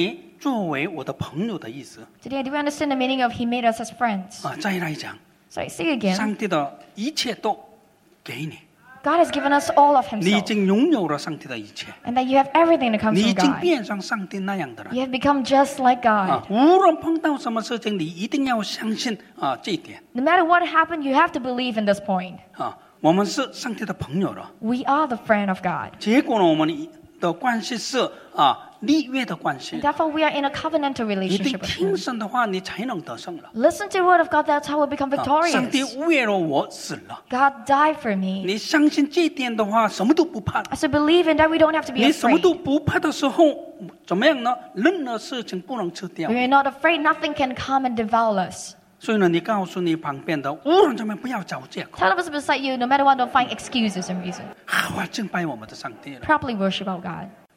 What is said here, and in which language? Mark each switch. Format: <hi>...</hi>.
<zh>明白吗？今天把你作为我的朋友的意思。</zh> <en>Today, do you understand the meaning of He made us as friends?</en> <zh>再来讲。</zh> <en>Sorry, say again.</en> <zh>上帝的一切都给你。</zh> <en>God has given us all of Himself.</en> <zh>你已经拥有了上帝的一切。</zh> <en>And that you have everything that comes from God.</en> <zh>你已经变成上帝那样的人。</zh> <en>You have become just like God.</en> <zh>无论碰到什么事情，你一定要相信这一点。</zh> <en>No matter what happened, you have to believe in this point.</en> <zh>我们是上帝的朋友了。</zh> <en>We are the friend of God.</en> <zh>结果呢，我们的关系是 立约的关系。</zh> <en>Therefore, we are in a covenantal relationship.</en> <zh>一定听神的话，你才能得胜了。</zh> <en>Listen to the word of God, that's how we become victorious.</en> <zh>上帝为了我死了。</zh> <en>God died for me.</en> <zh>你相信这点的话，什么都不怕了。</zh> <en>So believe in that, we don't have to be afraid.</en> <zh>你什么都不怕的时候，怎么样呢？任何事情不能吃掉。</zh> <en>We are not afraid, nothing can come and devour us.</en> <zh>所以呢，你告诉你旁边的，无论怎么样，不要找借口。</zh> <en>Tell us beside you, no matter what, don't find excuses and reasons.</en> <zh>我敬拜我们的上帝了。</zh> <en>Properly worship our God.</en>